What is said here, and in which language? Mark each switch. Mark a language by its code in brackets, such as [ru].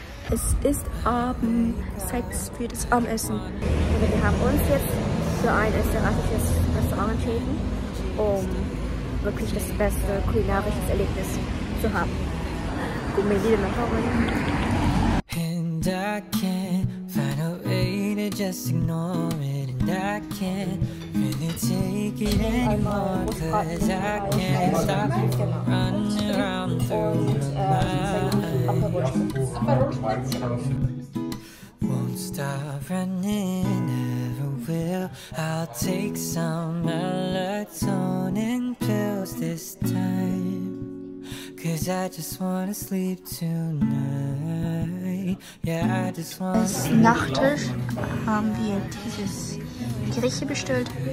[de] Es ist Abend, Zeit für das Abendessen. Wir haben uns jetzt für ein österreichisches Restaurant entschieden, um wirklich das beste kulinarische Erlebnis zu haben. Gucken wir wieder nach oben. [en] And I can't find a way to just ignore it. And I can't really take it anymore. Cause I can't stop running around through my life. Won't stop running, never will. I'll take some melatonin pills this time. Cause I just wanna sleep tonight. Yeah, I just wanna sleep. [de] Als Nachtisch haben wir dieses Gericht bestellt.